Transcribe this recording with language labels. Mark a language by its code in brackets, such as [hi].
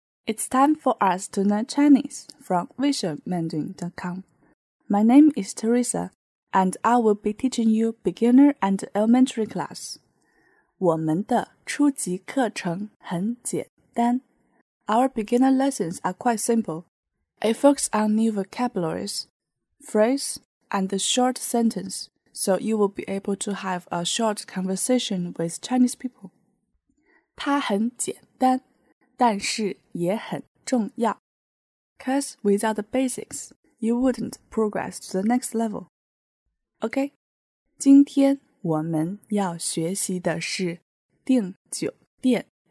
[en] It's time for us to learn Chinese from visualmandarin.com. My name is Teresa, and I will be teaching you beginner and elementary class. [zh] 我们的初级课程很简单。 [en] Our beginner lessons are quite simple. It focuses on new vocabularies, phrase, and the short sentence, so you will be able to have a short conversation with Chinese people. [zh] 它很简单，但是也很重要。 [en] Because without the basics, you wouldn't progress to the next level. [zh] OK, 今天我们要学习的是订酒店